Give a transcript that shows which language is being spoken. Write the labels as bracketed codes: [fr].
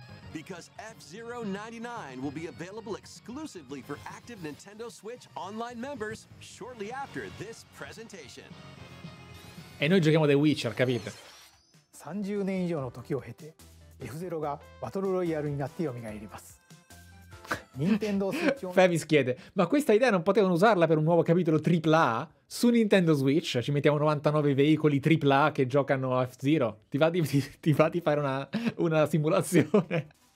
[en] Because F-Zero 99 will be available exclusively for active Nintendo Switch online members shortly after this presentation. [it] E noi giochiamo The Witcher, capite? [ja] 30 年以上の時を経て F-Zero がバトルロイヤルになってよみがえります。 [en] Nintendo Switch on... [it] Femis chiede, ma questa idea non potevano usarla per un nuovo capitolo AAA? Su Nintendo Switch ci mettiamo 99 veicoli AAA che giocano a F-Zero. Ti va di fare una simulazione?